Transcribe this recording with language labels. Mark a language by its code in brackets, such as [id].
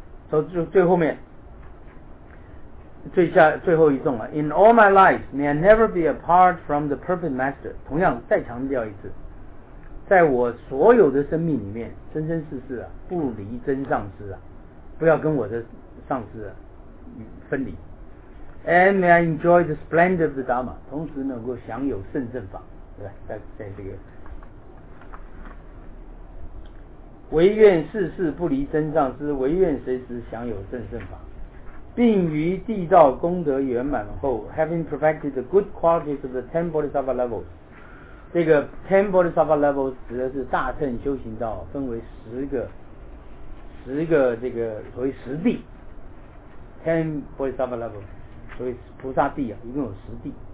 [zh] So, 最后面最后一种了。 [en] In all my life, may I never be apart from the perfect master. [zh] 同样再强调一次，在我所有的生命里面，生生世世啊，不离真上师啊，不要跟我的上师啊分离。 [en] And may I enjoy the splendor of the Dharma. [zh] 同时能够享有圣正法，对吧？在这个唯愿世事不离真上师，唯愿随时享有正圣法，并于地道功德圆满后 ， [en] having perfected the good qualities of the ten bodhisattva levels， [zh] 这个 [en] ten bodhisattva levels [zh] 指的是大乘修行道分为十个这个所谓十地 ，ten bodhisattva levels， 所谓菩萨地啊，一共有十地。